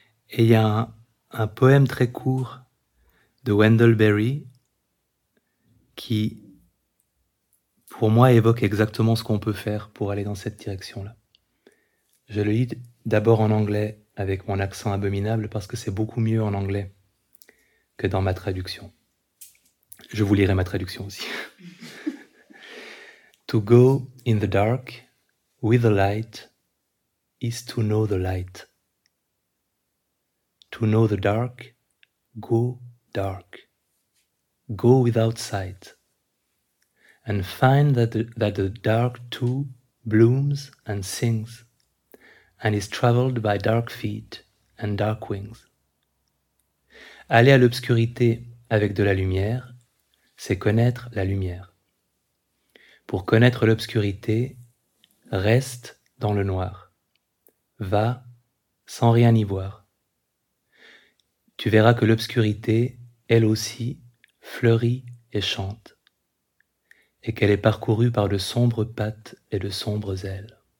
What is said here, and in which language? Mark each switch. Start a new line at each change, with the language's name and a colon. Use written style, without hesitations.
French: Et il y a un poème très court de Wendell Berry qui, pour moi, évoque exactement ce qu'on peut faire pour aller dans cette direction-là. Je le lis d'abord en anglais avec mon accent abominable parce que c'est beaucoup mieux en anglais que dans ma traduction. Je vous lirai ma traduction aussi.
English: To go in the dark with the light is to know the light. To know the dark, go dark. Go without sight. And find that the dark too blooms and sings and is traveled by dark feet and dark wings.
French: Aller à l'obscurité avec de la lumière, c'est connaître la lumière. Pour connaître l'obscurité, reste dans le noir. Va sans rien y voir. Tu verras que l'obscurité, elle aussi, fleurit et chante, et qu'elle est parcourue par de sombres pattes et de sombres ailes.